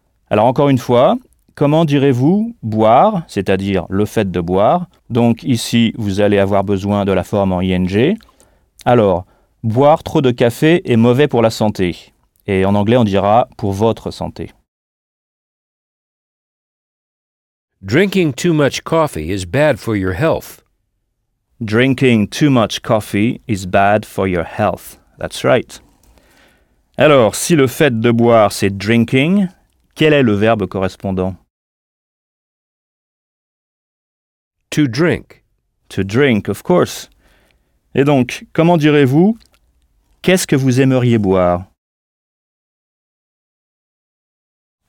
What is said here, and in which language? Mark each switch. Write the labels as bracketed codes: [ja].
[fr] Alors, encore une fois, comment direz-vous « boire », c'est-à-dire le fait de boire. Donc, ici, vous allez avoir besoin de la forme en « ing ». Alors, « boire trop de café est mauvais pour la santé ». Et en anglais, on dira « pour votre santé ». [en] Drinking too much coffee is bad for your health. Drinking too much coffee is bad for your health. That's right. [fr] Alors, si le fait de boire, c'est « drinking », quel est le verbe correspondant ? [en] To drink. To drink, of course. [fr] Et donc, comment direz-vous « qu'est-ce que vous aimeriez boire ?»